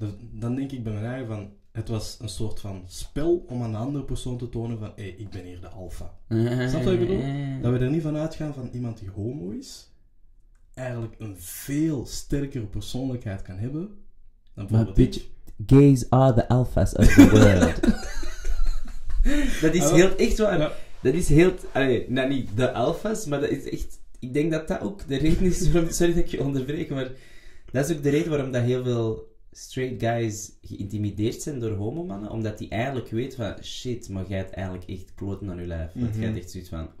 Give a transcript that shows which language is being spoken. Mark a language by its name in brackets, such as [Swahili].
[Dutch] Dan denk ik bij mijn eigen van... Het was een soort van spel om aan de andere persoon te tonen van... Hey, ik ben hier de alfa. Snap je wat ik bedoel? Dat we er niet van uitgaan van iemand die homo is... Eigenlijk een veel sterkere persoonlijkheid kan hebben... Dan bijvoorbeeld [English] bitch, gays are the alphas of the world. [Dutch] Dat is heel echt waar. Dat is heel... Nou niet de alphas, maar dat is echt... Ik denk dat dat ook de reden is waarom... Sorry dat ik je onderbreek, maar... Dat is ook de reden waarom dat heel veel [English] straight guys [Dutch] geïntimideerd zijn door homomannen. Omdat die eigenlijk weten van... Shit, maar jij hebt eigenlijk echt kloten aan je lijf. Want jij hebt echt zoiets van...